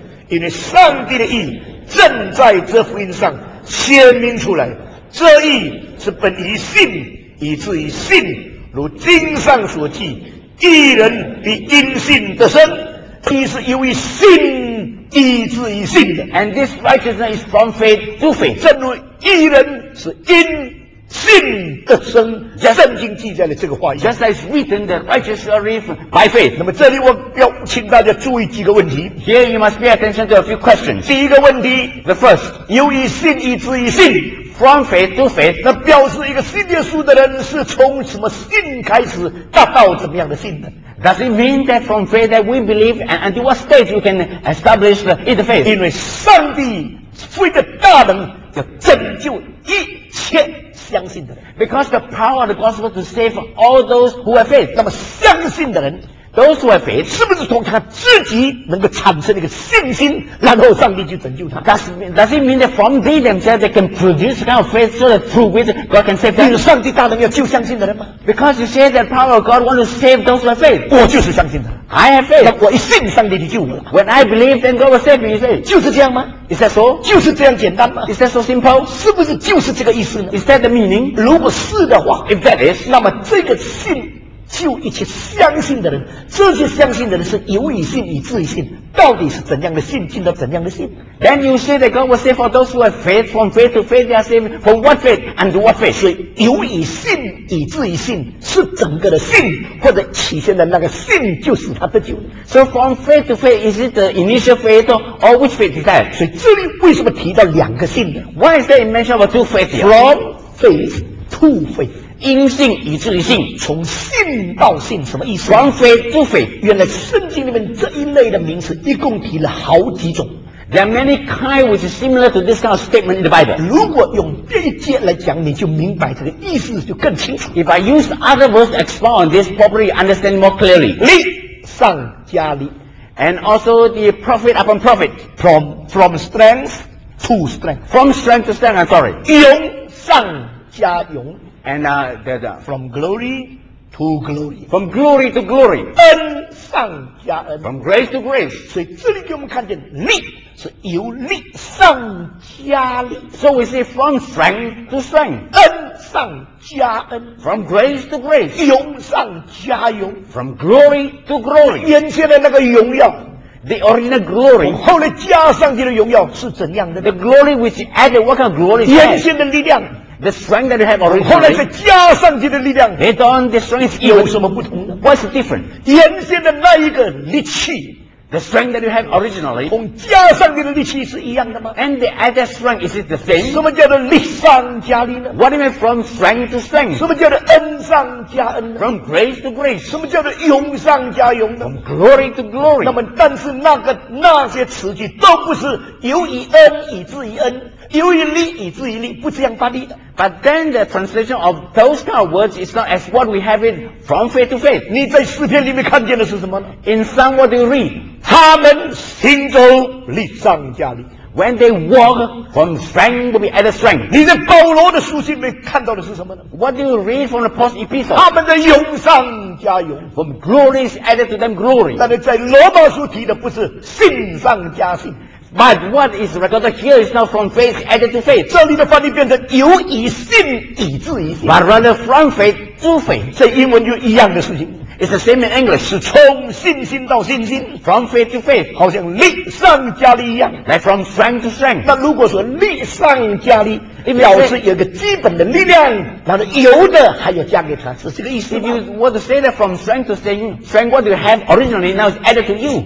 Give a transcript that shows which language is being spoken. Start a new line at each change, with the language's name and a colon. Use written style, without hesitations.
Chinese: 因为上帝的义正在这福音上显明出来，这义是本于信，以至于信，如经上所记，义人必因信得生，义是由于信，义之于信的。
English: And this righteousness is from faith to faith.
Chinese: 正如义人是因信得生， yes. 圣经记载了这个话语。
English: Just as written, the righteousness is by faith.
Chinese: 那么这里我要请大家注意几个问题。
English: Here you must pay attention to a few questions.
Chinese: 第一个问题
English: ，the first，
Chinese: 由于信义之于信。
English: From faith to faith，
Chinese: 那表示一个信耶稣的人是从什么信开始达到怎么样的信呢？
English: Does it mean that from faith that we believe and until what stage we can establish the faith？
Chinese: 因为上帝赋予的大能要拯救一切相信的人。
English: Because the power of the gospel to save all those who have faith，
Chinese: 那么相信的人。
English: Those who have faith，
Chinese: 是不是从他自己能够产生一个信心，然后上帝就拯救他
English: ？Does it mean that from they themselves they can produce kind of faith so that through which God can save them？
Chinese: 因为上帝大能要救相信的人吗
English: ？Because you say that power of God want to save those who have faith，
Chinese: 我就是相信的。
English: I have faith，
Chinese: 那我一信上帝就救我了。
English: When I believe, then God will save me. You say，
Chinese: 就是这样吗
English: ？Is that so？
Chinese: 就是这样简单吗
English: ？Is that so simple？
Chinese: 是不是就是这个意思呢
English: ？Is that the meaning？
Chinese: 如果是的话
English: ，If that is，
Chinese: 那么这个信。救一切相信的人，这些相信的人是由于信以至于信，到底是怎样的信，进到怎样的信
English: ？Then you say that God will save for those who have faith. From faith to faith, they are saved. From what faith and what faith？
Chinese: 所以由于信以至于信是整个的信，或者体现的那个信就是他的救。
English: So from faith to faith, is it the initial faith or which faith is that？
Chinese: 所以这里为什么提到两个信呢
English: ？Why is there mention of two faith？ From faith to faith。
Chinese: 因信以至于信，从信到信什么意思？
English: From faith to faith，
Chinese: 原来圣经里面这一类的名词一共提了好几种。
English: There are many kinds which is similar to this kind of statement in the Bible。
Chinese: 如果用这一节来讲，你就明白这个意思就更清楚。
English: If I use other verse to expound on this, probably understand more clearly。
Chinese: 利上加利
English: ，and also the profit upon profit， from strength to strength， from strength to strength。I'm sorry，
Chinese: 勇上加勇。
English: And from glory to glory, from glory to glory,
Chinese: 恩上加恩
English: from grace to grace.
Chinese: 所以这里给我们看见力是由力上加力
English: So we say from strength to strength,
Chinese: 恩上加恩
English: from grace to grace,
Chinese: 勇上加勇
English: from glory to glory.
Chinese: 眼前的那个荣耀
English: the original glory,
Chinese: 后来加上去的荣耀是怎样的
English: The glory which you added, what kind of glory?
Chinese: 眼前的力量。
English: The strength that you have already.
Chinese: 后来再加上去的力量。
English: Add on the strength.
Chinese: 有什么不同
English: ？What's different?
Chinese: 原先的那一个力气。
English: The strength that you have originally.
Chinese: 同加上去的力气是一样的吗
English: ？And the added strength is it the same?
Chinese: 什么叫做力上加力呢
English: ？What do you mean from strength to strength?
Chinese: 什么叫做恩上加恩呢
English: ？From grace to grace.
Chinese: 什么叫做勇上加勇呢
English: ？From glory to glory.
Chinese: 那么，但是那些词句都不是由于恩以至于恩。由于力以至于力，不这样发力的。
English: But then the translation of those kind of words is not as what we have it from faith to faith.
Chinese: 你在诗篇里面看见的是什么呢
English: ？In Psalm, what do you read?
Chinese: 他们行走力上加力。
English: When they walk from strength to be added strength.
Chinese: 你在保罗的书信里面看到的是什么呢
English: ？What do you read from the post epistle?
Chinese: 他们的勇上加勇。
English: From glory is added to them glory.
Chinese: 但是在罗马书提的不是信上加信。
English: But what is recorded here is not from faith added to faith.
Chinese: 这里的翻译变成由以信以至以信。
English: But rather from faith to faith.
Chinese: 这英文就一样的事情。
English: It's the same in English.
Chinese: 是从信心到信心。
English: From faith to faith.
Chinese: 好像力上加力一样。
English: Like from strength to strength.
Chinese: 那如果说力上加力，表示有个基本的力量，然后有的还要加给他，是这个意思。
English: If you were to say that from strength to strength, strength what you have originally now is added to you.